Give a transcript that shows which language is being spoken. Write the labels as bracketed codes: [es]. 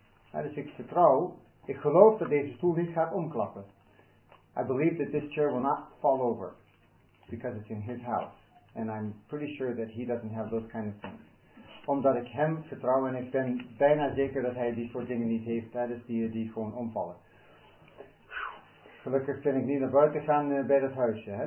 [nl] Dus ik vertrouw, ik geloof dat deze stoel niet gaat omklappen. [en] I believe that this chair will not fall over. Because it's in his house. And I'm pretty sure that he doesn't have those kind of things. [nl] Omdat ik hem vertrouw en ik ben bijna zeker dat hij die soort dingen niet heeft. Dat is die gewoon omvallen. Gelukkig kan ik niet naar buiten gaan bij dat huisje. Hè?